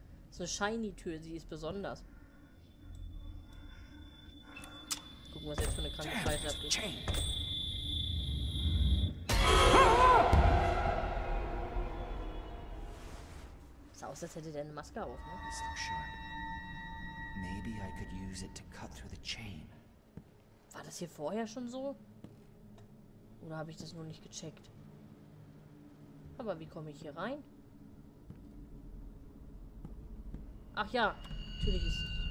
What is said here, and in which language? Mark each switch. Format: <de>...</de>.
<de>Das ist eine shiny Tür, sie ist besonders. Gucken, was jetzt für eine kranke Scheiße abgeht. Sah aus, als hätte der eine Maske auf, ne?</de> <en>This looks sharp. Maybe I could use it to cut through the chain.</en> <de>War das hier vorher schon so? Oder habe ich das nur nicht gecheckt? Aber wie komme ich hier rein? Ach ja, natürlich ist es.</de>